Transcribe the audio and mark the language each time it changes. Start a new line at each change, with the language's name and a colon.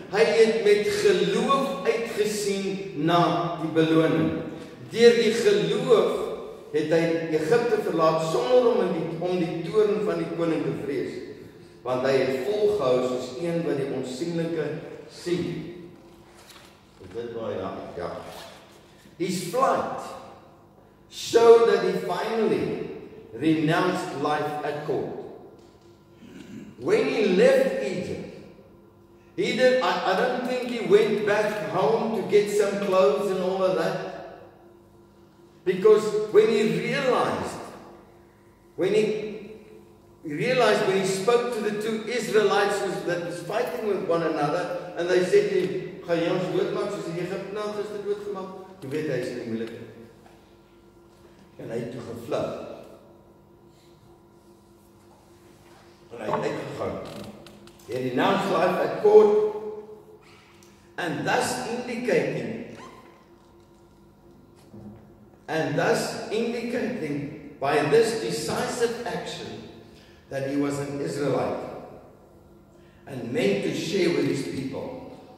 Afrikaans: Hy het met geloof uitgesien na die beloning. Deur die geloof het hy Egipte verlaat sonder om die toorn van die koning te vrees, want hy het volgehou soos een wat die onsigbare sien. Is dit waar? Ja.
English: His flight showed that he finally renounced life at court. When he left Egypt, I don't think he went back home to get some clothes and all of that. Because when he spoke to the two Israelites that was fighting with one another, and they said to him,
Afrikaans: "Gaan jy ons doodmaak soos die Egiptenaars dit doodgemaak?" Jy weet hy is in die moeilikheid. En hy het toe gevlug. En hy het uitgegaan.
English: He renounced life at court, and thus indicating by this decisive action that he was an Israelite and meant to share with his people.